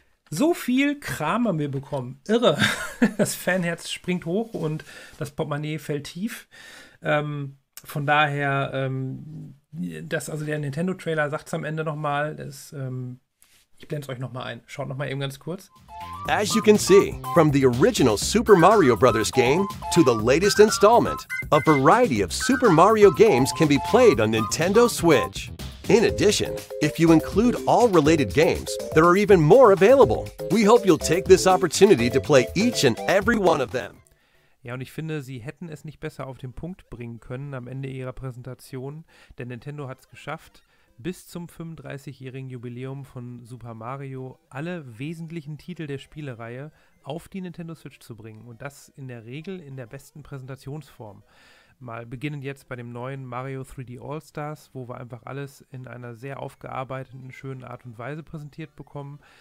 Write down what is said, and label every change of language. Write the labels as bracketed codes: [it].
[de] So viel Kram haben wir bekommen. Irre. Das Fanherz springt hoch und das Portemonnaie fällt tief. Von daher, das, also der Nintendo-Trailer sagt es am Ende nochmal. Ich blende es euch nochmal ein. Schaut nochmal eben ganz kurz. [en] As you can see, from the original Super Mario Bros. Game to the latest installment, a variety of Super Mario games can be played on Nintendo Switch. In addition, if you include all related games, there are even more available. We hope you'll take this opportunity to play each and every one of them. [de] Ja, und ich finde, sie hätten es nicht besser auf den Punkt bringen können am Ende ihrer Präsentation, denn Nintendo hat es geschafft, bis zum 35-jährigen Jubiläum von Super Mario alle wesentlichen Titel der Spielereihe auf die Nintendo Switch zu bringen. Und das in der Regel in der besten Präsentationsform. Mal beginnend jetzt bei dem neuen Mario 3D All-Stars, wo wir einfach alles in einer sehr aufgearbeiteten, schönen Art und Weise präsentiert bekommen.